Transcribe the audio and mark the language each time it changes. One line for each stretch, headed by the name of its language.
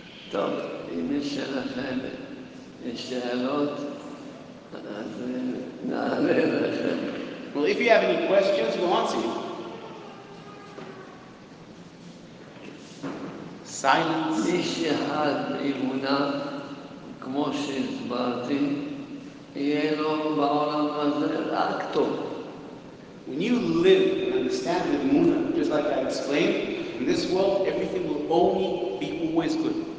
Hebrew: טוב, אם יש לכם שאלות, אז נעלה לכם.
English: Well, if you have any questions, we'll answer you. Silence.
Hebrew: מי שחד אמונה, כמו שהסברתי, יהיה לו בעולם הזה רק טוב.
English: When you live and understand the Emunah, just like I explained, in this world, everything will only be always good.